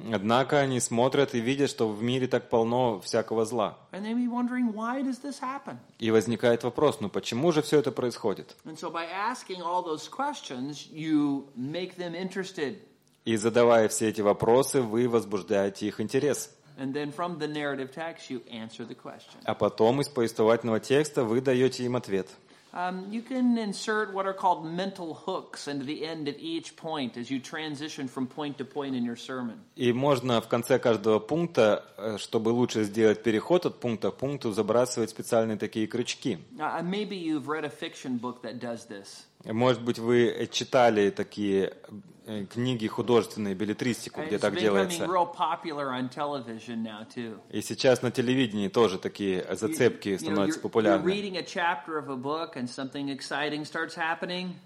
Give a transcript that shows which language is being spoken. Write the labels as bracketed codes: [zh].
[ru] Однако они смотрят и видят, что в мире так полно всякого зла. [en] And they may be wondering why does this happen? [ru] И возникает вопрос, ну почему же все это происходит? [en] And so by asking all those questions, you make them interested. [ru] И задавая все эти вопросы, вы возбуждаете их интерес. [en] And then from the narrative text you answer the question. [ru] А потом из повествовательного текста вы даете им ответ. [en] You can insert what are called mental hooks into the end of each point as you transition from point to point in your sermon. [ru] И можно в конце каждого пункта, чтобы лучше сделать переход от пункта к пункту, забрасывать специальные такие крючки. [en] Maybe you've read a fiction book that does this. [ru] Может быть, вы читали такие книги художественные, беллетристику, где так делается. И сейчас на телевидении тоже такие зацепки становятся популярными.